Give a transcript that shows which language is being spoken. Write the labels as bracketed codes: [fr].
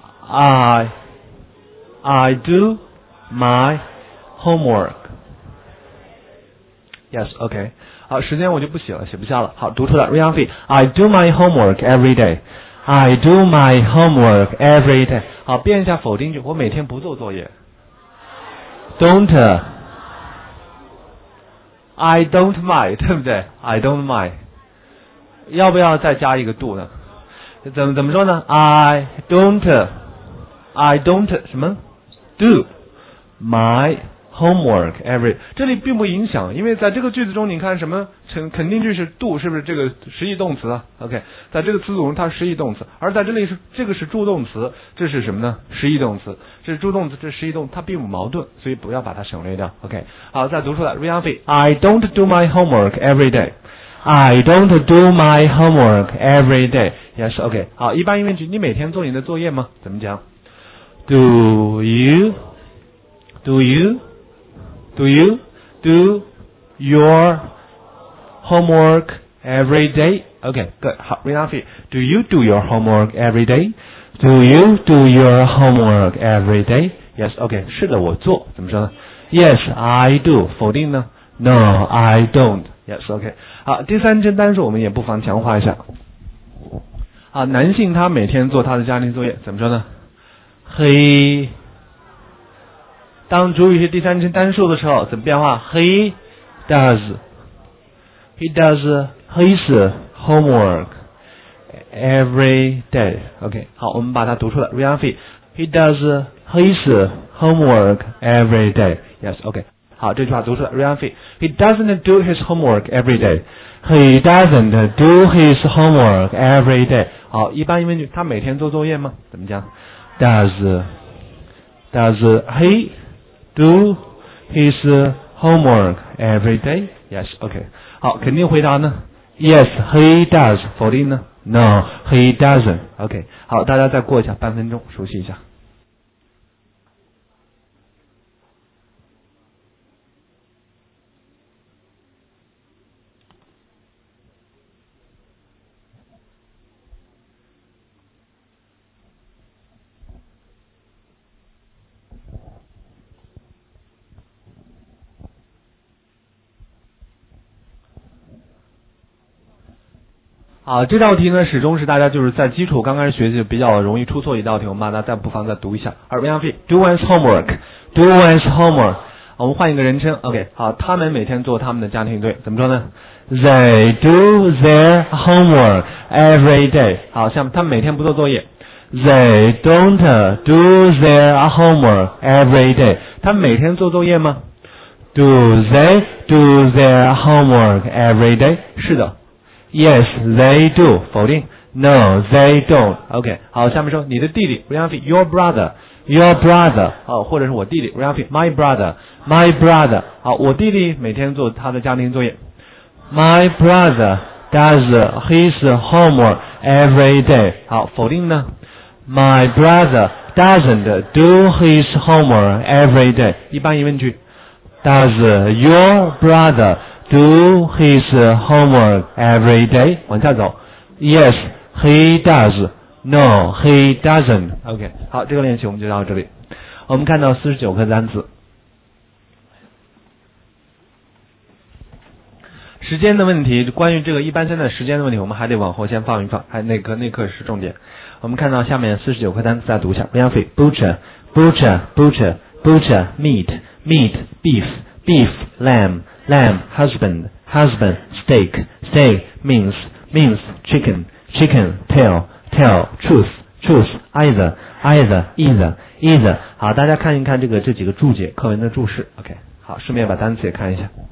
[en] I do my homework. Yes, OK. [zh] 好，时间我就不写了，写不下了。 [en] 好，读出来，Rianfei， I do my homework every day， I do my homework every day。 [zh] 好，变一下否定句，我每天不做作业。 Don't， I don't mind，对不对 ？ I don't mind，要不要再加一个 do 呢？怎么说呢 ？ I don't， I don't 什么 do my homework every，这里并不影响，因为在这个句子中，你看什么肯定句是 do， 是不是这个实义动词 ？OK， 在这个词组中它是实义动词，而在这里是这个是助动词，这是什么呢？实义动词，这是助动词，这是实义动词，它并不矛盾，所以不要把它省略掉。 [en] OK，好，再读出来，Rianfei， I don't do my homework every day。 I don't do my homework every day. Yes, okay. [zh] 好，一般疑问句，你每天做你的作业吗？ [en] 怎么讲？Do you your homework every day? Okay, good. 好 ，Rianfei. Do you do your homework every day? Do you do your homework every day? Yes, okay. 是的，我做。怎么说呢？Yes, I do. 否定呢？No, I don't. Yes, OK. [zh] 好，第三句单数我们也不妨强化一下。好，男性他每天做他的家庭作业，怎么说呢 ？He 当主语是第三句单数的时候，怎么变化 ？ He does his homework every day. [en] OK. [zh] 好，我们把它读出来 ，Rianfei. [en] He does his homework every day. Yes, OK. [zh] 好，这句话读出来 ，Rianfei. [en] He doesn't do his homework every day. He doesn't do his homework every day. [zh] 好，一般疑问句，他每天做作业吗？ [en] 怎么讲？Does he do his homework every day? Yes. OK. 好，肯定回答呢？Yes, he does. 否定呢？No, he doesn't. OK. [zh] 好，大家再过一下半分钟，熟悉一下。好，这道题呢始终是大家就是在基础刚开始学习比较容易出错一道题，我们大家再不妨再读一下。 [en] 而 Rianfei, do one's homework, do one's homework, 我们换一个人称 ,OK, 好，他们每天做他们的家庭作业，怎么说呢 ?They do their homework every day, 好，像他们每天不做作业 ,They don't do their homework every day, 他们每天做作业吗 ?Do they do their homework every day? 是的。 Yes, they do. 否定。 No, they don't. OK. [zh] 好，下面说你的弟弟 Rianfei, your brother, your brother. 好，或者是我弟弟 Rianfei, my brother, my brother. 好，我弟弟每天做他的家庭作业。 [en] My brother does his homework every day. 好，否定呢？My brother doesn't do his homework every day. [zh] 一般疑问句。 Does your brother? [en] Do his homework every day. 往下走。 Yes, he does. No, he doesn't. [zh] OK, 好，这个练习我们就到这里。我们看到49个单词。时间的问题，关于这个一般现在时间的问题，我们还得往后先放一放，还那课是重点。我们看到下面49个单词再读一下。 [en] Rianfei, butcher, butcher, butcher, butcher, meat, meat, beef, beef, lamb,Lamb, husband, husband, steak, steak, mince, mince, chicken, chicken, tail, tail, truth, truth, either, either, either, either. 好，大家看一看这几个注解，课文的注释。 OK, 好，顺便把单词也看一下。